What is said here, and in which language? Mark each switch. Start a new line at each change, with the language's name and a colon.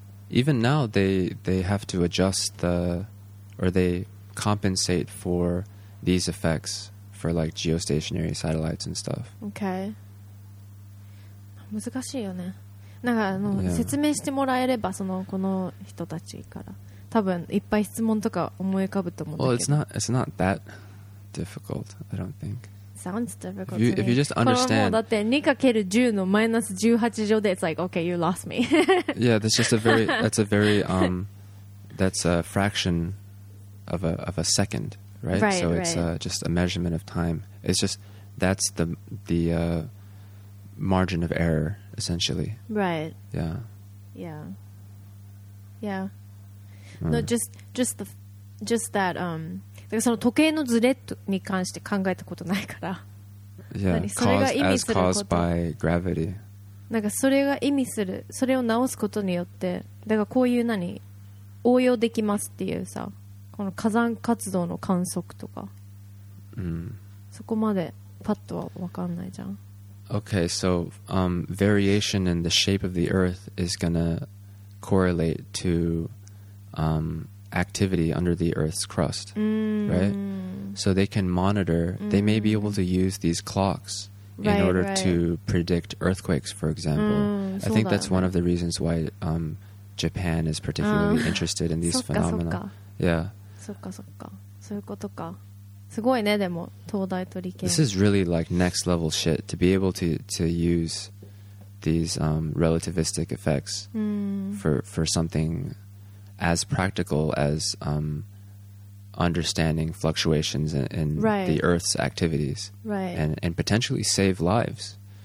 English: Even now they have to adjust they compensate for these effects for like geostationary satellites and stuff.
Japanese: Okay. 難しいよね。なんかあの、説明してもらえればそのこの人たちから多分いっぱい質問とか思い浮かぶと思うんだけど。
English: Well, it's not that difficult, I don't think. Sounds difficult. If you just understand,
Japanese: だって二かける十のマイナス十八乗で
English: it's like okay, you lost me. Yeah, that's just a very that's a fraction of a second, right? Right. So it's just a measurement of time. It's just that's the margin of error essentially. Right. Yeah. Yeah. Yeah. No, just that.
Japanese: だからその時計のズレに関して考えたことないから。
English: Yeah, caused by gravity.
Japanese: なんかそれが意味する、それを直すことによって、だからこういう何応用できますっていうさ、この火山活動の観測とか。 Mm. そこまでパッとは分かんないじゃん。
English: Okay, so variation in the shape of the Earth is gonna correlate to activity under the Earth's crust, right? So they can monitor. They may be able to use these clocks in order to predict earthquakes, for example. I think that's one of the reasons why Japan is particularly interested in these phenomena. Yeah.
Japanese: そっかそっか。そういうことか。すごいね、でも東大と理系。
English: This is really like next level shit to be able to use these relativistic effects for something as practical as understanding fluctuations in the Earth's activities and potentially save lives.